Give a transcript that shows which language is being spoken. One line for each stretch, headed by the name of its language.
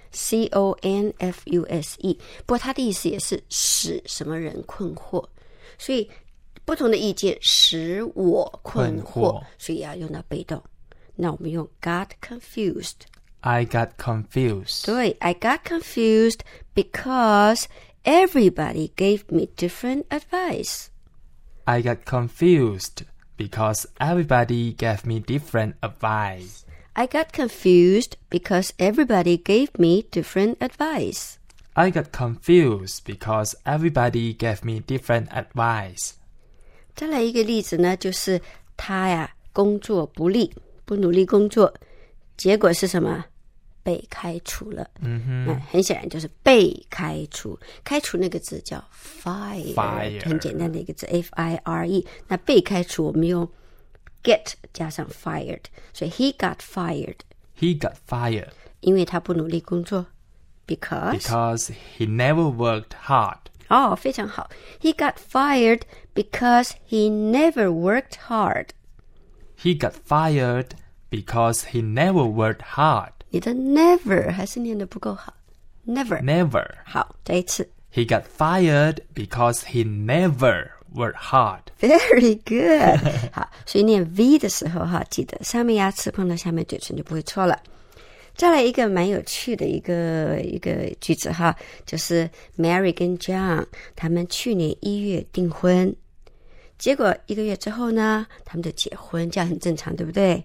Chinese: confuse， 不过它的意思也是使什么人困惑，所以不同的意见使我困惑，所以要用到被动。那我们用
English: got confused， I got confused，对， I got confused because everybody gave me different advice。 I got confused because everybody gave me different advice。 I got confused because everybody gave me different advice。 I got confused because everybody gave me different advice。
Chinese: 再来一个例子呢，就是他呀工作不力，不努力工作，结果是什么？被开除了。嗯哼，那很显然就是被开除。开除那个字叫 fire，
English: fire
Chinese: 很简单的一个字 ，F-I-R-E。那被开除，我们用 get 加上 fired， 所以
English: he got fired。 He got fired，
Chinese: 因为他不努力工作 ，because
English: he never worked hard。
Chinese: 哦，非常好
English: ，he got fired because he never worked hard。 He got fired because he never worked hard。
Chinese: 你的 never 还是念得不够好 ，never
English: never。
Chinese: 好，再一次。
English: He got fired because he never worked hard。 Very good。
Chinese: 好，所以念 V 的时候哈，记得上面牙齿碰到下面嘴唇就不会错了。再来一个蛮有趣的一个句子哈，就是 Mary 跟 John 他们去年一月订婚。结果一个月之后呢，他们就结婚，这样很正常，对不对？